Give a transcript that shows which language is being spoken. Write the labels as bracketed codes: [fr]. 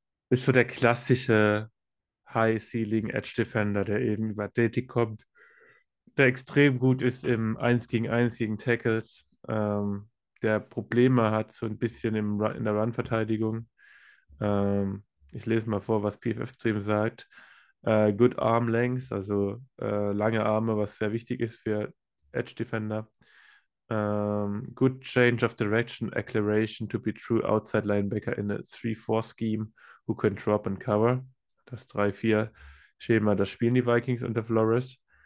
[de] Ist so der klassische High Ceiling Edge Defender, der eben über Athletik kommt, der extrem gut ist im 1 gegen 1 gegen Tackles, der Probleme hat so ein bisschen in der Run-Verteidigung. Ich lese mal vor, was PFF zu ihm sagt. [en] Good arm length, [de] also lange Arme, was sehr wichtig ist für Edge Defender. [en] Good change of direction, acceleration to be true outside linebacker in a 3-4 scheme, who can drop and cover. [de] Das 3-4 Schema, das spielen die Vikings unter Flores.